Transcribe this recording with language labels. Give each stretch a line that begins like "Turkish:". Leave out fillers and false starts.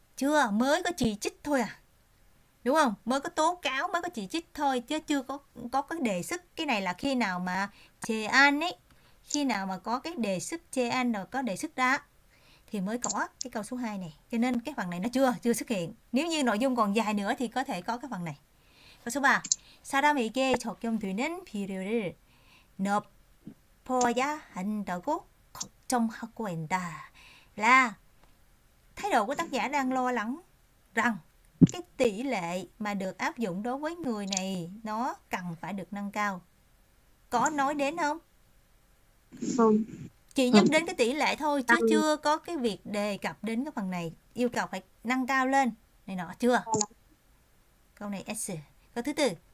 Vietnamese: Chưa, mới có chỉ trích thôi à. Đúng không? Mới có tố cáo, mới có chỉ trích thôi chứ chưa có đề xuất. Cái này là khi nào mà chê an ấy, khi nào mà có cái đề xuất chê an rồi có đề xuất đó thì mới có cái câu số 2 này. Cho nên cái phần này nó chưa xuất hiện. Nếu như nội dung còn dài nữa thì có thể có cái phần này.
Korean: 봐봐. 사람에게 적용되는 비료를 넣어야 한다고 걱정하고 있다.
Vietnamese: Là thái độ của tác giả đang lo lắng rằng cái tỷ lệ mà được áp dụng đối với người này nó cần phải được nâng cao. Có nói đến không? Không. Chỉ nhắc đến cái tỷ lệ thôi chứ chưa có cái việc đề cập đến cái phần này, yêu cầu phải nâng cao lên này nọ chưa? Câu này S. Câu thứ tư.